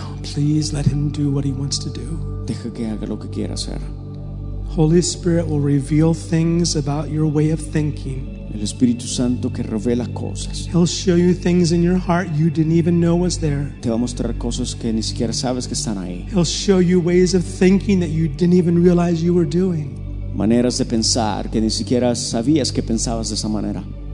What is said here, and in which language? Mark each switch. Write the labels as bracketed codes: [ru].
[en] No, please let him do what he wants to do. [es] Deja que haga lo que quiera hacer. [en] Holy Spirit will reveal things about your way of thinking. [es] El Espíritu Santo que revela cosas. [en] He'll show you things in your heart you didn't even know was there. [es] Te va a mostrar cosas que ni siquiera sabes que están ahí. [en] He'll show you ways of thinking that you didn't even realize you were doing. [es] Maneras de pensar que ni siquiera sabías que pensabas de esa manera.